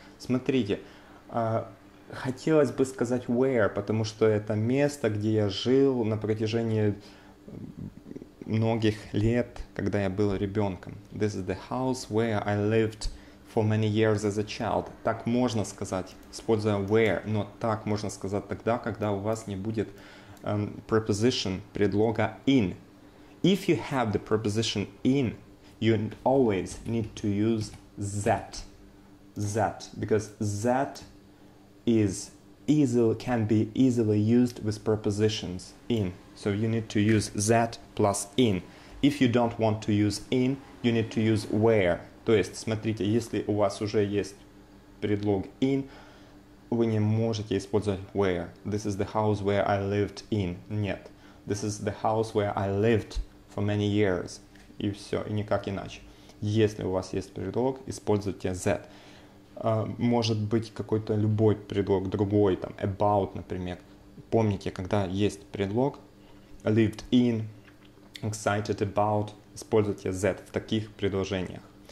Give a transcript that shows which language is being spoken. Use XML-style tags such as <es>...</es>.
<ru>Смотрите, хотелось бы сказать where, потому что это место, где я жил на протяжении многих лет, когда я был ребенком.</ru> <en>This is the house where I lived for many years as a child.</en> <ru>Так можно сказать, используя where, но так можно сказать тогда, когда у вас не будет preposition, предлога in.</ru> <en>If you have the preposition in, you always need to use that. That, because that is easily, can be easily used with prepositions in. So you need to use that plus in. If you don't want to use in, you need to use where.</en> <ru>То есть, смотрите, если у вас уже есть предлог in, вы не можете использовать where.</ru> <en>This is the house where I lived in.</en> <ru>Нет.</ru> <en>This is the house where I lived for many years.</en> <ru>И все, и никак иначе. Если у вас есть предлог, используйте that. Может быть какой-то любой предлог, другой, там, about, например. Помните, когда есть предлог,</ru> <en>lived in, excited about,</en> <ru>используйте that в таких предложениях.</ru>